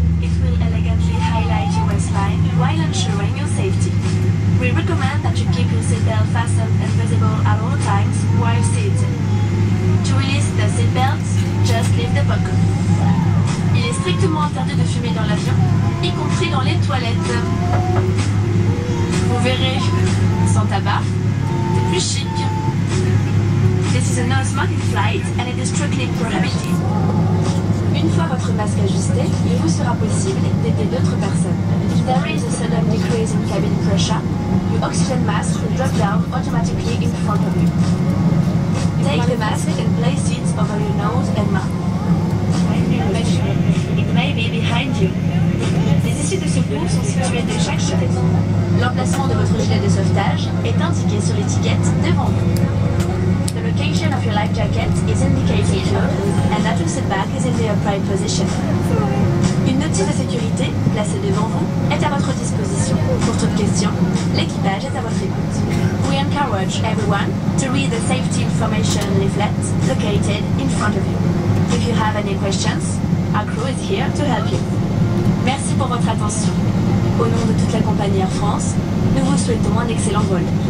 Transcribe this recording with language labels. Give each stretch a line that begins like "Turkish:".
English: It will elegantly highlight your waistline while ensuring your safety. We recommend that you keep your seatbelt fastened and visible at all times while seated. To release the seatbelt, just leave the pocket.
French: Il est strictement interdit de fumer dans l'avion, y compris dans les toilettes. Vous verrez, sans tabac, c'est plus chic.
English: This is a non-smoking flight and it is strictly prohibited.
French: Une fois votre masque ajusté, il vous sera possible d'aider d'autres personnes.
English: If there is a sudden decrease in cabin pressure, your oxygen mask will drop down automatically in front of you. Take the mask and place it over your nose and mouth. It may be behind you.
French: Les issues de secours sont situées de chaque côté. L'emplacement de votre gilet de sauvetage est indiqué sur l'étiquette devant vous.
English: The position of your life jacket is indicated and that your seat back is in the upright position.
French: Une notice de sécurité placée devant vous est à votre disposition. Pour toute question, l'équipage est à votre écoute.
English: We encourage everyone to read the safety information leaflet located in front of you. If you have any questions, our crew is here to help you.
French: Merci pour votre attention. Au nom de toute la compagnie Air France, nous vous souhaitons un excellent vol.